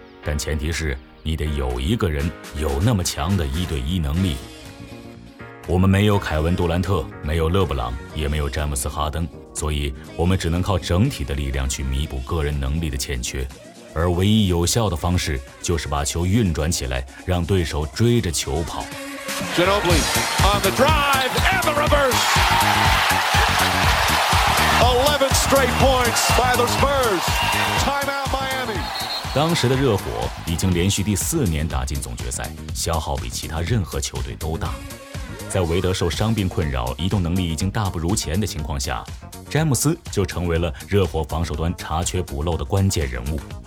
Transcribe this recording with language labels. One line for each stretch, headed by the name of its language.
Chinese: 但前提是你得有一个人有那么强的一对一能力。我们没有凯文·杜兰特，没有勒布朗，也没有詹姆斯·哈登，所以我们只能靠整体的力量去弥补个人能力的欠缺。而唯一有效的方式就是把球运转起来，让对手追着球跑。
English: Ginobili on the drive and the reverse. 11 straight points by the Spurs. Timeout Miami.
Chinese: 当时的热火已经连续第四年打进总决赛，消耗比其他任何球队都大。在韦德受伤病困扰，移动能力已经大不如前的情况下，詹姆斯就成为了热火防守端查缺补漏的关键人物。